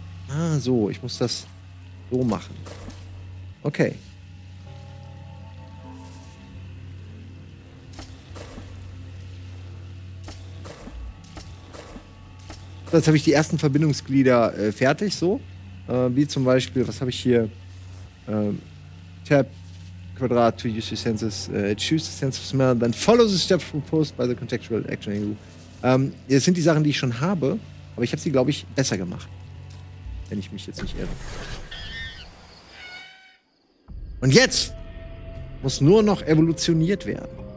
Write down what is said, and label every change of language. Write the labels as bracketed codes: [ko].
[de] Ah, so, ich muss das so machen. Okay. So, jetzt habe ich die ersten Verbindungsglieder fertig, so. Wie zum Beispiel, was habe ich hier? [en] Tab, Quadrat, to use your senses, choose the sense of smell, then follow the steps proposed by the contextual action. [de] Das sind die Sachen, die ich schon habe, aber ich habe sie, glaube ich, besser gemacht. Wenn ich mich jetzt nicht irre. Und jetzt muss nur noch evolutioniert werden.